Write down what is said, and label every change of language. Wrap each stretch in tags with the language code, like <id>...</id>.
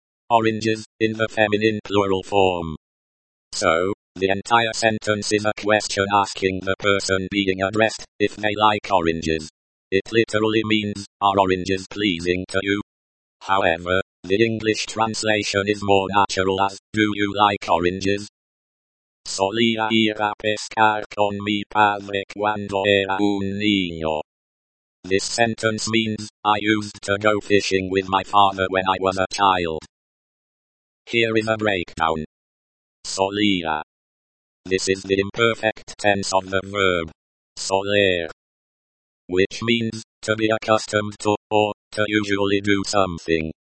<en>Oranges, in the feminine plural form. So, the entire sentence is a question asking the person being addressed if they like oranges. It literally means, are oranges pleasing to you? However, the English translation is more natural as, do you like oranges?</en> <es>Solía ir a pescar con mi padre cuando era un niño.</es> <en>This sentence means, I used to go fishing with my father when I was a child. Here is a breakdown. Solía. This is the imperfect tense of the verb. Soler. Which means, to be accustomed to, or, to usually do something.</en>